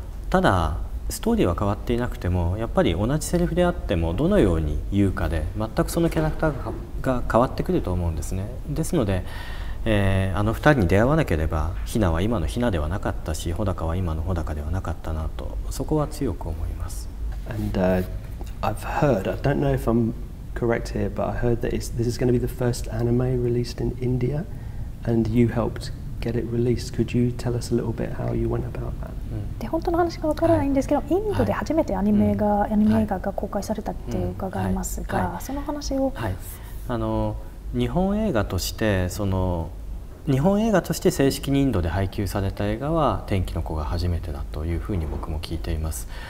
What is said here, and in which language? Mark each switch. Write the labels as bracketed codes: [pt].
[ja] ただストーリーは変わっていなくても、やっぱり同じセリフであってもどのように言うかで全くそのキャラクターが変わってくると思うんですね。ですので、2人に出会わなければひなは今のひなではなかったし、穂高は今の穂高ではなかったなと、そこは強く思います。 [en] And、I've heard, I don't know if I'm correct here, but I heard that this is going to be the first anime released in India and you helped get it released. Could you tell us a little bit how you went about that? [ja] で本当の話が分からないんですけど、はい、インドで初めてアニメ映画が公開されたって伺いますが、はいはい、その話を、はい、日本映画として、その日本映画として正式にインドで配給された映画は天気の子が初めてだというふうに僕も聞いています。